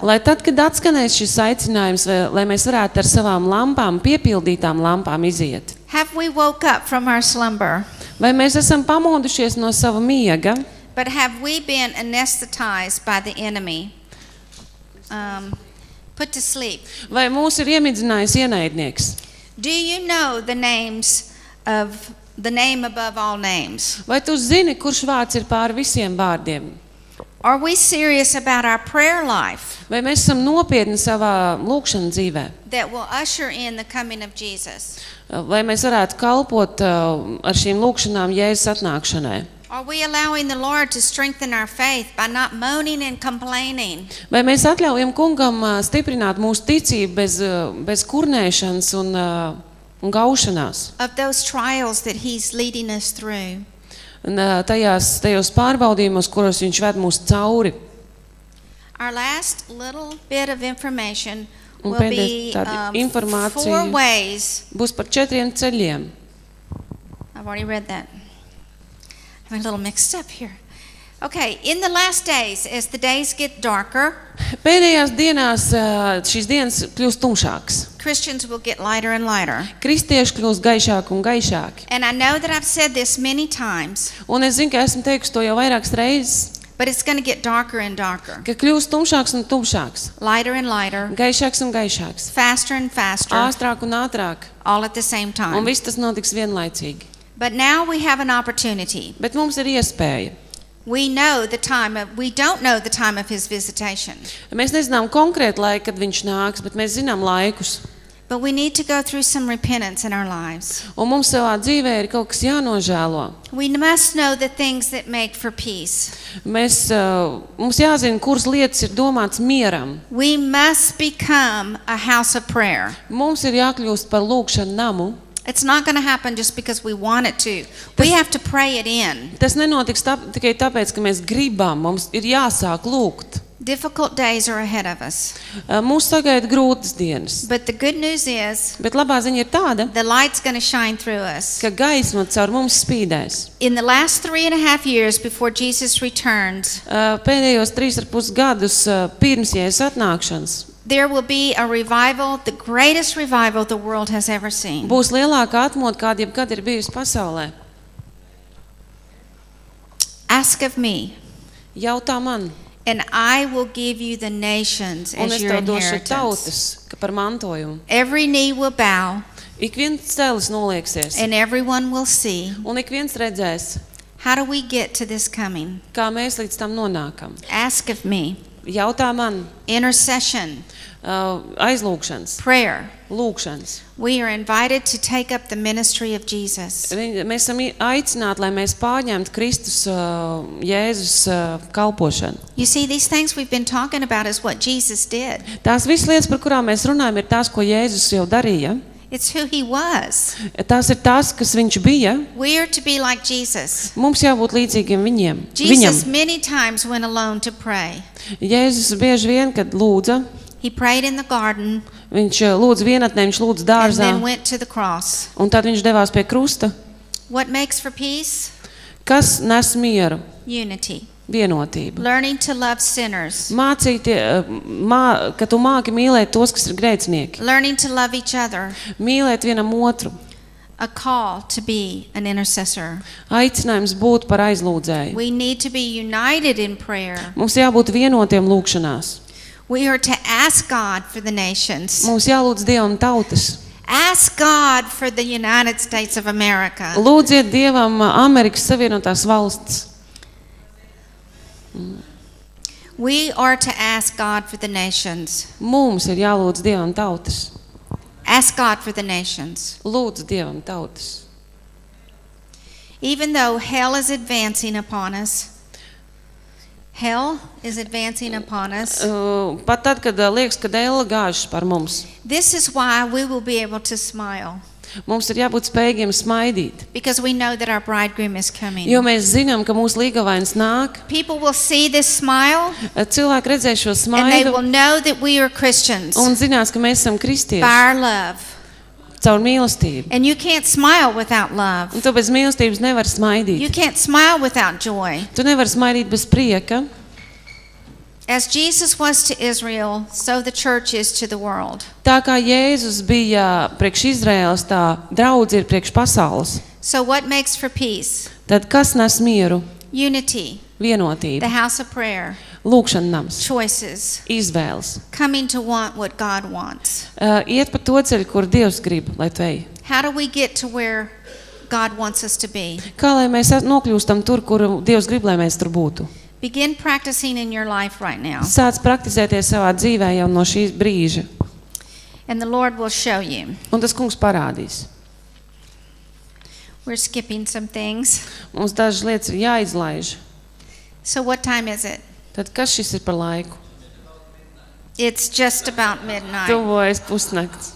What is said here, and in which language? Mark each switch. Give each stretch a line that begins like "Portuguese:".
Latvian: Lai tad, kad atskanēs šis aicinājums, lai mēs varētu ar savām lampām, piepildītām lampām iziet.
English: Have we woke up from our slumber?
Latvian: Vai mēs esam pamodušies no sava miega?
English: But have we been anesthetized by the enemy? Put to sleep.
Latvian: Vai mūs ir iemidzinājis ienaidnieks?
English: Do you know the names of the name above all names?
Latvian: Vai tu zini, kurš vārds ir pār visiem vārdiem?
English: Are we serious about our prayer life?
Latvian: Vai mēs esam nopietni savā lūkšanas dzīvē?
English: That will usher in the coming of Jesus.
Latvian: Vai mēs varētu kalpot ar šīm lūkšanām Jēzus atnākšanai?
English: Are we allowing the Lord to strengthen our faith by not moaning and complaining?
Latvian: Vai mēs atļaujam Kungam stiprināt mūsu ticību bez kurnēšanas un gaušanās?
English: Of those trials that he's leading us through.
Latvian: Tajos pārbaudījumos, kuros viņš ved mūs cauri.
English: Our last little bit of information
Latvian: un
English: will be
Latvian: informācija
English: four ways.
Latvian: Būs par četriem ceļiem.
English: I've already read that. I'm a little mixed up here. Okay, in the last days, as the days get darker,
Latvian: pēdējās dienās šīs dienas kļūst tumšākas.
English: Christians will get lighter and lighter.
Latvian: Kristieši kļūst gaišāk un gaišāk.
English: And I know that I've said this many times.
Latvian: Un es zinu, ka esmu teikusi to jau vairākas reizes.
English: But it's going to get darker and darker.
Latvian: Ka kļūst tumšāks un tumšāks.
English: Lighter and lighter.
Latvian: Gaišāks un gaišāks.
English: Faster and faster.
Latvian: Ātrāk un ātrāk.
English: All at the same time.
Latvian: Un viss tas notiks vienlaicīgi.
English: But now we have an opportunity.
Latvian: Bet mums ir iespēja.
English: We don't know the time of his visitation.
Latvian: Mēs nezinām konkrētu laiku, kad viņš nāks, bet mēs zinām laikus.
English: But we need to go through some repentance in our lives.
Latvian: Un mums savā dzīvē ir kaut kas jānožēlo.
English: We must know the things that make for peace.
Latvian: Mums jāzina, kuras lietas ir domātas mieram.
English: We must become a house of prayer.
Latvian: Mums ir jākļūst par lūkšanu namu.
English: It's not going to happen just because we want it to. We have to pray it in.
Latvian: Tas nenotiks tikai tāpēc, ka mēs gribam. Mums ir jāsāk lūgt.
English: Difficult days are ahead of us.
Latvian: Mūs sagaida grūtas dienas.
English: But the good news is.
Latvian: Bet labā ziņa ir tāda.
English: The light's going to shine through us.
Latvian: Ka gaisma caur mums spīdēs.
English: In the last 3.5 years before Jesus returns.
Latvian: Pēdējos 3.5 gadus pirms Jēzus atnākšanas.
English: There will be a revival, the greatest revival the world has ever seen.
Latvian: Būs lielākā atmod, kāda jebkad ir bijusi pasaulē.
English: Ask of me.
Latvian: Jautā man.
English: And I will give you the nations as your inheritance.
Latvian: Un es tev došu tautas par mantojumu.
English: Every knee will bow.
Latvian: Ik viens celis noliegsies.
English: And everyone will see.
Latvian: Un ik viens redzēs.
English: How do we get to this coming?
Latvian: Kā mēs līdz tam nonākam?
English: Ask of me.
Latvian: Jautā man.
English: Intercession.
Latvian: Aizlūkšanas.
English: Prayer.
Latvian: Lūkšanas.
English: We are invited to take up the ministry of Jesus.
Latvian: Mēs esam aicināti, lai mēs pārņemtu Kristus Jēzus kalpošanu.
English: You see, these things we've been talking about is what Jesus did.
Latvian: Tās visas lietas, par kurām mēs runājam, ir tās, ko Jēzus jau darīja.
English: It's who he was.
Latvian: Tas ir tas, kas viņš bija.
English: We are to be like Jesus.
Latvian: Mums jābūt līdzīgiem viņiem.
English: Jesus
Latvian: viņam.
English: Many times went alone to pray.
Latvian: Jēzus bieži vien, kad lūdza.
English: He prayed in the garden.
Latvian: Viņš lūdza vienatnē, viņš lūdza dārzā.
English: And then went to the cross.
Latvian: Un tad viņš devās pie krusta.
English: What makes for peace?
Latvian: Kas nes mieru?
English: Unity.
Latvian: Vienotība.
English: Learning to love sinners.
Latvian: Ka tu māki mīlēt tos, kas ir grēcinieki.
English: Learning to love each other.
Latvian: Mīlēt vienam otru.
English: a call to be an intercessor.
Latvian: Aicinājums būt par aizlūdzēju.
English: We need to be united in prayer.
Latvian: Mums jābūt vienotiem lūkšanās.
English: We are to ask God for the nations.
Latvian: Mums jālūdz Dievam tautas.
English: Ask God for the United States of America.
Latvian: Lūdziet Dievam Amerikas Savienotās valsts.
English: We are to ask God for the nations.
Latvian: Mums ir jālūdz Dievam tautas.
English: Ask God for the nations.
Latvian: Lūdz Dievam tautas.
English: Even though hell is advancing upon us. Hell is advancing upon us.
Latvian: Pat tad, kad liekas, ka Ella gāžas par mums.
English: This is why we will be able to smile.
Latvian: Mums ir jābūt spējīgiem smaidīt.
English: Because we know that our bridegroom is coming.
Latvian: Jo mēs zinām, ka mūsu līgavainis nāk.
English: People will see this smile.
Latvian: Cilvēki redzēs šo smaidu.
English: And they will know that we are Christians.
Latvian: Un zinās, ka mēs esam kristieši.
English: By our love.
Latvian: Caur mīlestību.
English: And you can't smile without love.
Latvian: Un tu bez mīlestības nevari smaidīt.
English: You can't smile without joy.
Latvian: Tu nevari smaidīt bez prieka.
English: As Jesus was to Israel, so the church is to the world.
Latvian: Tā kā Jēzus bija priekš Izraēlas, tā draudze ir priekš pasaules.
English: So what makes for peace?
Latvian: Tad kas nes mieru?
English: Unity.
Latvian: Vienotība.
English: The house of prayer.
Latvian: Lūkšana nams.
English: Choices.
Latvian: Izvēles.
English: Coming to want what God wants.
Latvian: Iet pa to ceļu, kur Dievs grib, lai tu ej.
English: How do we get to where God wants us to be?
Latvian: Kā lai mēs nokļūstam tur, kur Dievs grib, lai mēs tur būtu?
English: Begin practicing in your life right now.
Latvian: Sāc praktizēties savā dzīvē jau no šī brīža.
English: And the Lord will show you.
Latvian: Un tas Kungs parādīs.
English: We're skipping some things.
Latvian: Mums dažas lietas ir jāizlaiž.
English: So what time is it?
Latvian: Tad kas šis ir par laiku?
English: It's just about midnight.
Latvian: Tuvojas pusnakts.